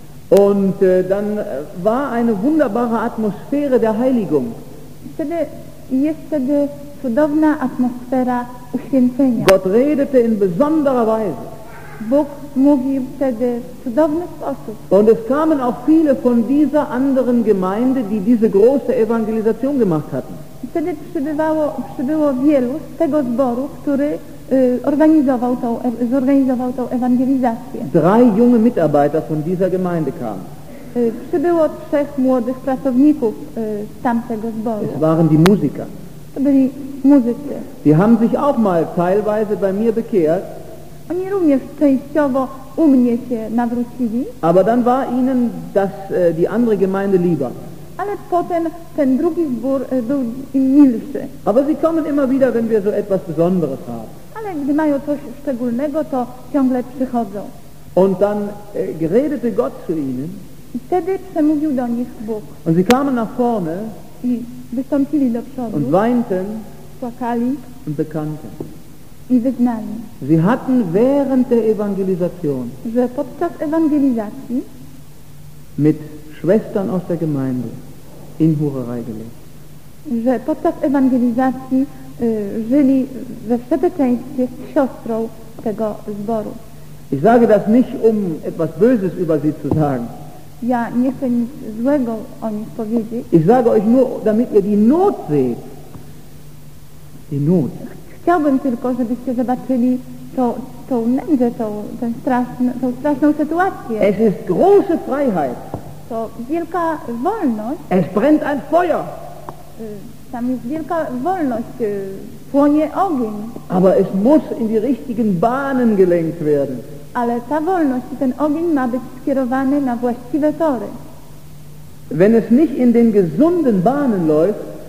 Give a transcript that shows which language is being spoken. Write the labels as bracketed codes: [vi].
[de] Und dann war eine wunderbare Atmosphäre der Heiligung. [pl] Jest wtedy cudowna atmosfera uświęcenia. [de] Gott redete in besonderer Weise. [pl] Bóg mówił wtedy w cudowny sposób. [de] Und es kamen auch viele von dieser anderen Gemeinde, die diese große Evangelisation gemacht hatten. [pl] Wtedy przybyło wielu z tego zboru, który zorganizował tą ewangelizację. [de] Drei junge Mitarbeiter von dieser Gemeinde kamen. [pl] Przybyło trzech młodych pracowników z tamtego zboru. [de] Es waren die Musiker. [pl] To byli muzycy. [de] Die haben sich auch mal teilweise bei mir bekehrt. [pl] Oni również częściowo u mnie się nawrócili. [de] Aber dann war ihnen das, die andere Gemeinde lieber. [pl] A ale potem ten drugi zbór był im milszy. [de] Aber sie kommen immer wieder, wenn wir so etwas Besonderes haben. [pl] Ale gdy mają coś szczególnego, to ciągle przychodzą. [de] Und dann redete Gott zu ihnen. [pl] I wtedy przemówił do nich Bóg. [de] Und sie kamen nach vorne. [pl] I wystąpili do przodu. [de] Und weinten. [pl] Płakali. [de] Und bekannten. [pl] I wyznali. [de] Sie hatten während der Evangelisation. [pl] Że podczas ewangelizacji. [de] Mit Schwestern aus der Gemeinde in Hurerei gelebt. [pl] Że podczas ewangelizacji żyli we wszeteczeństwie z siostrą tego zboru. [de] Ich sage das nicht, um etwas Böses über sie zu sagen. [pl] Ja nie chcę nic złego o nich powiedzieć. [de] Ich sage euch nur, damit ihr die Not seht. Die Not. [pl] Chciałbym tylko, żebyście zobaczyli to, tą nędzę, tą, ten straszny, tą straszną sytuację. [de] Es ist große Freiheit. [pl] To wielka wolność. [de] Es brennt ein Feuer. [pl] Tam jest wielka wolność, płonie ogień. [de] Aber es muss in die richtigen Bahnen gelenkt werden. [pl] Ale ta wolność i ten ogień ma być skierowany na właściwe tory. [de] Wenn es nicht in den gesunden Bahnen läuft,